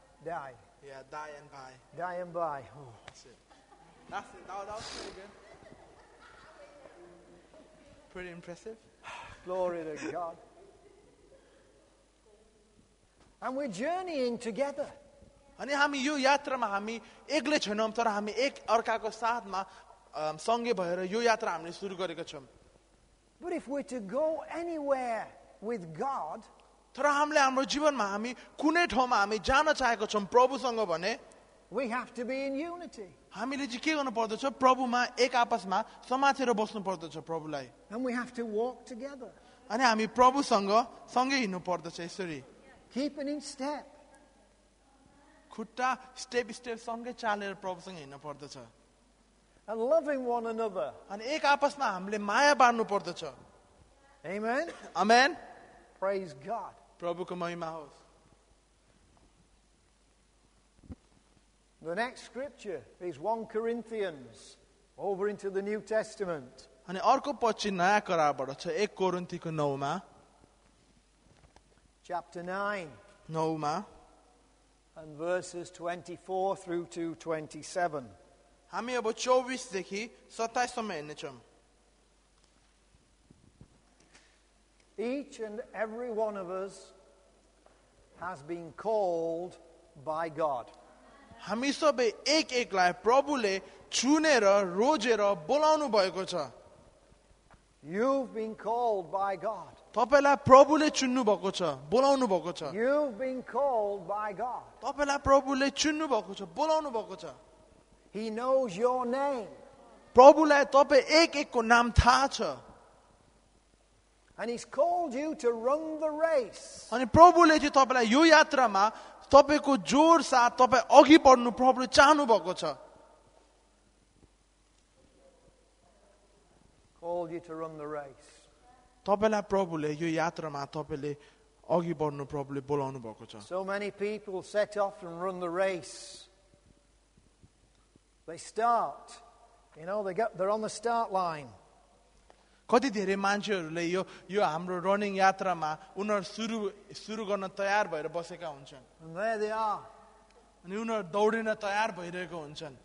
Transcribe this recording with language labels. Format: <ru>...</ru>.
<en>Dai. Yeah, dai and bhai. Dai and bhai. Oh. That's it. That's it. That was pretty good. Pretty impressive. Glory to God. And we're journeying together.</en> <ne>अनि हामी यो यात्रामा हामी एक्लै छैनौँ तर हामी एक अर्काको साथमा सँगै भएर यो यात्रा हामीले सुरु गरेका छौँ.</ne> <en>But if we're to go anywhere with God,</en> <ne>तर हामीले हाम्रो जीवनमा हामी कुनै ठाउँमा हामी जान चाहेको छौँ प्रभुसँग भने</ne> <en>we have to be in unity.</en> <ne>हामीले चाहिँ के गर्नु पर्दछ प्रभुमा एक आपसमा समातेर बस्नु पर्दछ प्रभुलाई.</ne> <en>And we have to walk together.</en> <ne>अनि हामी प्रभुसँग सँगै हिँड्नु पर्दछ यसरी.</ne> <en>Keep in step.</en> <ne>खुट्टा स्टेप स्टेप सँगै चालेर प्रभुसँग हिँड्नु पर्दछ.</ne> <en>And loving one another.</en> <ne>अनि एक आपसमा हामीले माया बाँड्नु पर्दछ.</ne> <en>Amen. Amen. Praise God.</en> <ne>प्रभुको महिमा होस्.</ne> <en>The next scripture is 1 Corinthians over into the New Testament.</en> <ne>अनि अर्को पछि नयाँ करारबाट छ एक कोरिन्थीको 9 मा.</ne> <en>Chapter 9.</en> <ne>9 मा.</ne> <en>And verses 24 through to 27.</en> <ne>हामी अब 24 देखि 27 सम्म हेर्ने छौं.</ne> <en>Each and every one of us has been called by God.</en> <ne>हामी सबै एक एकलाई प्रभुले चुनेर रोजेर बोलाउनु भएको छ.</ne> <en>You've been called by God.</en> <ne>तपाईँलाई प्रभुले चुन्नु भएको छ बोलाउनु भएको छ.</ne> <en>You've been called by God.</en> <ne>तपाईँलाई प्रभुले चुन्नु भएको छ बोलाउनु भएको छ.</ne> <en>He knows your name.</en> <ne>प्रभुलाई तपाईँ एक एकको नाम थाहा छ.</ne> <en>And he's called you to run the race.</en> <ne>अनि प्रभुले चाहिँ तपाईँलाई यो यात्रामा तपाईँको जोर साथ तपाईँ अघि बढ्नु प्रभुले चाहनु भएको छ.</ne> <en>Called you to run the race.</en> <ne>तपाईँलाई प्रभुले यो यात्रामा तपाईँले अघि बढ्नु प्रभुले बोलाउनु भएको छ.</ne> <en>So many people set off and run the race. They start, you know, they're on the start line.</en> <ne>कति धेरै मान्छेहरूले यो यो हाम्रो रनिङ यात्रामा उनीहरू सुरु गर्न तयार भएर बसेका हुन्छन्.</ne> <en>And there they are.</en> <ne>अनि उनीहरू दौडिन तयार भइरहेको हुन्छन्.</ne>